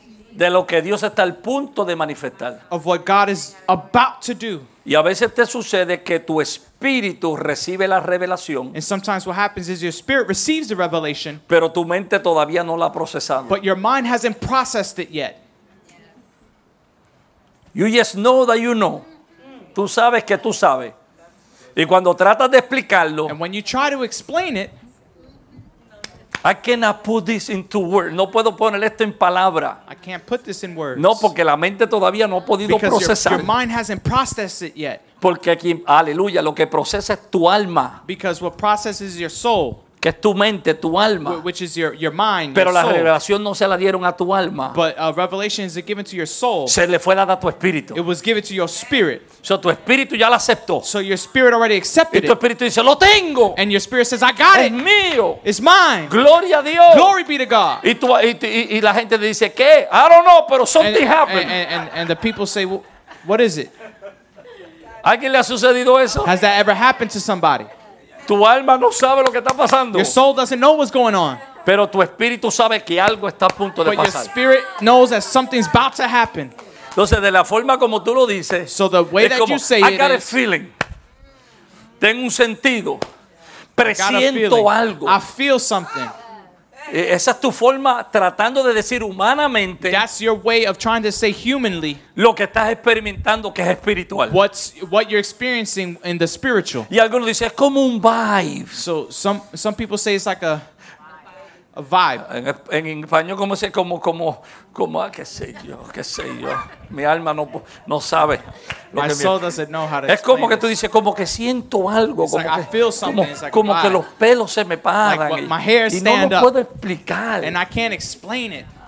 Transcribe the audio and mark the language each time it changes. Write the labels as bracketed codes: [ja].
[es] De lo que Dios está al punto de manifestar. [en] Of what God is about to do. [es] Y a veces te sucede que tu espíritu recibe la revelación. [en] And sometimes what happens is your spirit receives the revelation. [es] Pero tu mente todavía no la ha procesado. [en] But your mind hasn't processed it yet. You just know that you know. [es] Tú sabes que tú sabes. Y cuando tratas de explicarlo, [en] and when you try to explain it, I cannot put this into words. [es] No puedo poner esto en palabra. [en] I can't put this in words. [es] No, porque la mente todavía no ha podido procesar. [en] Your mind hasn't processed it yet. [es] Porque aquí, aleluya, lo que procesa es tu alma. [en] Because what processes your soul. [es] Que es tu mente, tu alma. [en] Which is your mind. [es] Pero [en] your soul. [es] La revelación no se la dieron a tu alma. [en] But revelation is given to your soul. [es] Se le fue dada a tu espíritu. [en] It was given to your spirit. [es] So tu espíritu ya la aceptó. [en] So your spirit already accepted it. [es] Y tu espíritu dice, lo tengo. [en] And your spirit says, I got [es] it. Es mío. [en] It's mine. [es] Gloria a Dios. [en] Glory be to God. [es] Y tu, y la gente dice, ¿qué? [en] I don't know, [es] pero [en] something happened. And the people say, well, what is it? [es] ¿Alguien le ha sucedido eso? [en] Has that ever happened to somebody? [es] Tu alma no sabe lo que está pasando. [en] Your soul doesn't know what's going on. [es] Pero tu espíritu sabe que algo está a punto de pasar. [en] But your spirit knows that something's about to happen. [es] Entonces, de la forma como tú lo dices, [en] so the way [es] es [en] that [es] como, [en] you say I got it a feeling. [es] Tengo un sentido. Presiento algo. [en] I feel something. [es] Esa es tu forma tratando de decir humanamente. [en] That's your way of trying to say humanly. [es] Lo que estás experimentando que es espiritual. [en] What you're experiencing in the spiritual. [es] Y algunos dicen es como un vibe. [en] So some people say it's like a vibe. [es] En español cómo se como ah, qué sé yo. Mi alma no sabe. [en] Lo my soul doesn't know how to. [es] Es como [en] this. [es] Que tú dices como que siento algo. [en] It's [es] como [en] like [es] que, [en] I feel something. [es] Como que los pelos se me paran. [en] Like my hair stand [es] y no lo [en] up. [es] Puedo explicar. [en] And I can't explain it.